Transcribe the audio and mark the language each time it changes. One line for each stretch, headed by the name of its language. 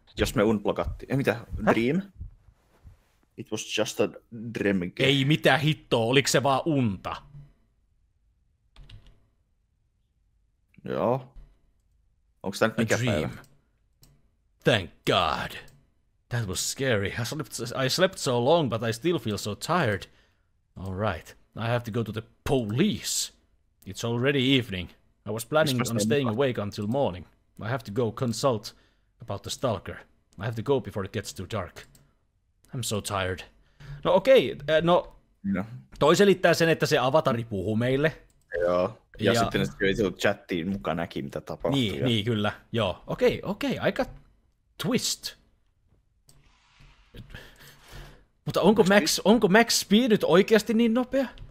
Finnish: Jos me unblokattiin. Ei mitä?
English: Dream? It was just a dream game.
Finnish: Ei mitään hittoa, oliko se vaan unta? Joo. Onko tämä nyt mikä päivä?
English: Thank God. That was scary. I slept so long, but I still feel so tired. All right. I have to go to the police. It's already evening. I was planning on staying awake until morning. I have to go consult about the stalker. I have to go before it gets too dark. I'm so tired. No okei, okay. No. No.
Finnish: Toi selittää sen, että se avatari puhuu meille. Joo. Ja sitten se kyllä tullut chattiin mukaan näki, mitä tapahtuu. Niin, niin kyllä. Joo. Okei, okay, okei. Okay. Aika twist. Mutta onko Max Speed nyt oikeasti niin nopea?